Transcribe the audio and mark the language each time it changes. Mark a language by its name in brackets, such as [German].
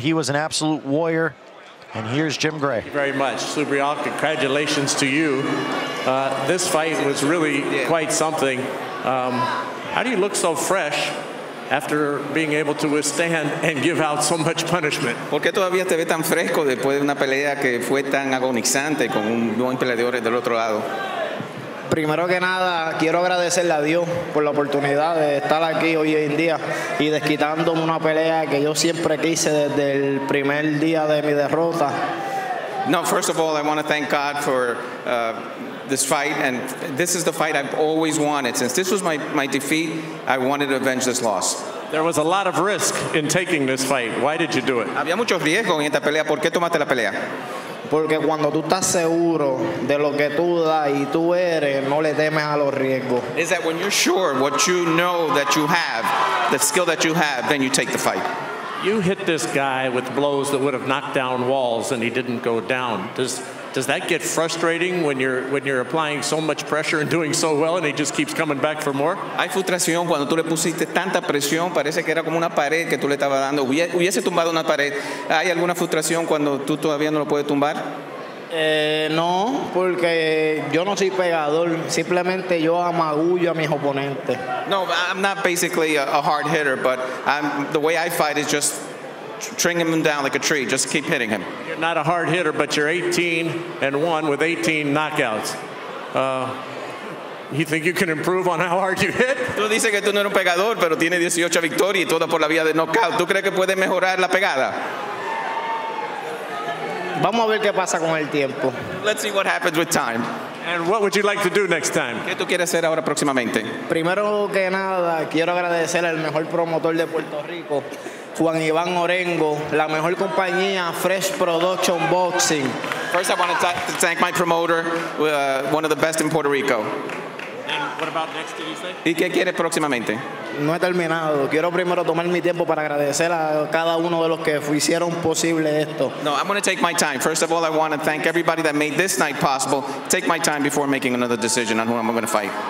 [English] He was an absolute warrior. And here's Jim Gray. Thank you very much. Subriel, congratulations to you. This fight was really quite something. How do you look so fresh after being able to withstand and give out so much punishment? [Spanish] ¿Por qué todavía te ve tan fresco después de una pelea que fue tan agonizante con un buen peleador del otro lado? Primero que nada, quiero agradecerle a Dios por la oportunidad de estar aquí hoy en día y desquitándome una pelea que yo siempre quise desde el primer día de mi derrota. [English] No, first of all, I want to thank God for this fight, and this is the fight I've always wanted. Since this was my defeat, I wanted to avenge this loss. There was a lot of risk in taking this fight. Why did you do it? [Spanish] Había mucho riesgo en esta pelea. ¿Por qué tomaste la pelea? Porque cuando tú estás seguro de lo que tú das y tú eres, no le temes a los riesgos. [English] Is that when you're sure what you know that you have, the skill that you have, then you take the fight? You hit this guy with blows that would have knocked down walls and he didn't go down. Does that get frustrating when you're applying so much pressure and doing so well and he just keeps coming back for more? [Spanish] Hay frustración cuando tú le pusiste tanta presión, parece que era como una pared que tú le estabas dando. Hubiese tumbado una pared. ¿Hay alguna frustración cuando tú todavía no lo puedes tumbar? No, porque yo no soy pegador. Simplemente yo amagullo a mis oponentes. [English] No, I'm not basically a hard hitter, but the way I fight is just tring him down like a tree. Just keep hitting him. You're not a hard hitter, but you're 18-1 with 18 knockouts. You think you can improve on how hard you hit? [Spanish] Tú dices que tú no eres un pegador, pero tiene 18 victorias y todo por la vía de knockout. ¿Tú crees que puedes mejorar la pegada? Vamos a ver qué pasa con el tiempo. [English] Let's see what happens with time. And what would you like to do next time? [Spanish] ¿Qué tú quieres hacer ahora próximamente? Primero que nada, quiero agradecer al mejor promotor de Puerto Rico, Juan Iván Orengo, la mejor compañía, Fresh Production Boxing. [English] First, I want to thank my promoter, one of the best in Puerto Rico. And what about next, did you say? [Spanish] ¿Y qué quieres próximamente? No he terminado. Quiero primero tomar mi tiempo para agradecer a cada uno de los que hicieron posible esto. [English] No, I'm going to take my time. First of all, I want to thank everybody that made this night possible. Take my time before making another decision on who I'm going to fight.